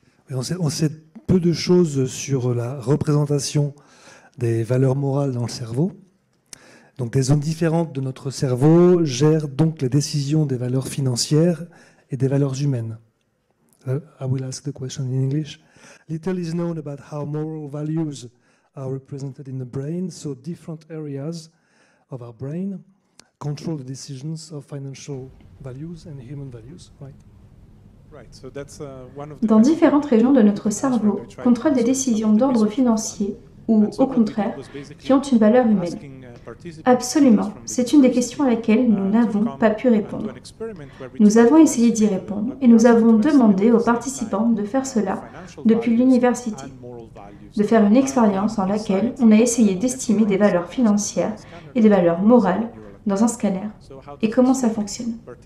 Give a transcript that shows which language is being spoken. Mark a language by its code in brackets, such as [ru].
[fr] On sait peu de choses sur la représentation des valeurs morales dans le cerveau. Donc, des zones différentes de notre cerveau gèrent donc les décisions des valeurs financières et des valeurs humaines. [en] I will ask the question in English. Little is known about how moral values are represented in the brain, so different areas of our brain control the decisions of financial values and human values, right? [fr] Dans différentes régions de notre cerveau, contrôle des décisions d'ordre financier ou, au contraire, qui ont une valeur humaine. Absolument, c'est une des questions à laquelle nous n'avons pas pu répondre. Nous avons essayé d'y répondre et nous avons demandé aux participants de faire cela depuis l'université, de faire une expérience dans laquelle on a essayé d'estimer des valeurs financières et des valeurs morales dans un scanner et comment ça fonctionne.